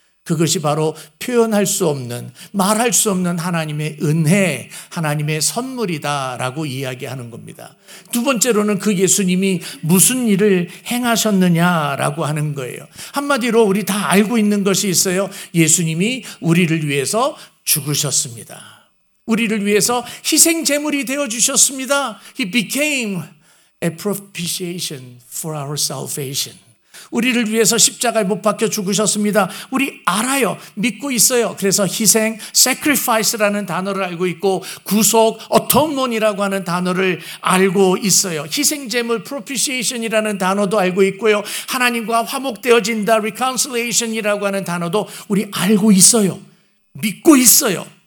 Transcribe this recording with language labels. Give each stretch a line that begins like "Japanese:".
Korean: 그것이 바로 표현할 수 없는, 말할 수 없는 하나님의 은혜, 하나님의 선물이다라고 이야기하는 겁니다. 두 번째로는 그 예수님이 무슨 일을 행하셨느냐라고 하는 거예요. 한마디로 우리 다 알고 있는 것이 있어요. 예수님이 우리를 위해서 죽으셨습니다. 우리를 위해서 희생제물이 되어주셨습니다.
English: He became a propitiation for our salvation.
Korean: 우리를 위해서 십자가에 못 박혀 죽으셨습니다. 우리 알아요. 믿고 있어요. 그래서 희생, sacrifice라는 단어를 알고 있고 구속, atonement이라고 하는 단어를 알고 있어요. 희생제물, propitiation이라는 단어도 알고 있고요. 하나님과 화목되어진다, reconciliation이라고 하는 단어도 우리 알고 있어요. 믿고 있어요.